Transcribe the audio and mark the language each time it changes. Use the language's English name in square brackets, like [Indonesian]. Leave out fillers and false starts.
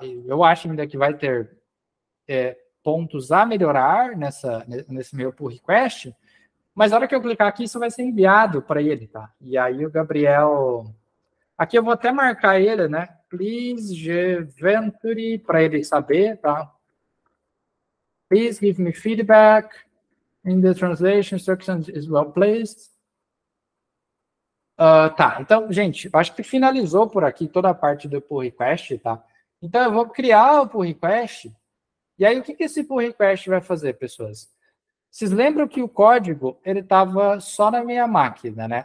[Portuguese] Eu acho ainda que vai ter pontos a melhorar nesse meu pull request. Mas na hora que eu clicar aqui, isso vai ser enviado para ele, tá? E aí o Gabriel. Aqui eu vou até marcar ele, né? Please Gventry, para ele saber, tá? [English] Please give me feedback in the translation instructions is well placed. [Portuguese] Tá, então, gente, acho que finalizou por aqui toda a parte do pull request, tá? Então eu vou criar o pull request. E aí, o que que esse pull request vai fazer, pessoas? Vocês lembram que o código ele estava só na minha máquina, né?